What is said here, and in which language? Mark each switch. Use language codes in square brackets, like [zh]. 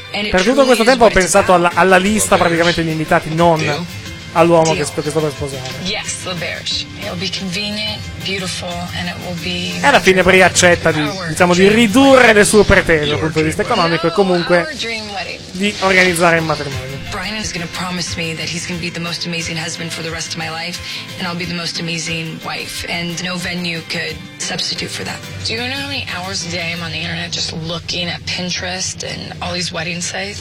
[it] Per tutto questo tempo ho pensato alla lista praticamente degli invitati, non all'uomo che sto per sposare. [en] Yes, LaBerge. It'll be convenient, beautiful, and it will be. [it] E alla fine Brie accetta di, diciamo, di ridurre le sue pretese dal punto di vista economico e comunque di organizzare il matrimonio. [en] Brian is gonna promise me that he's gonna be the most amazing husband for the rest of my life, and I'll be the most amazing wife, and no venue could substitute for that. Do you know how many hours a day I'm on the internet just looking at Pinterest and all these wedding sites?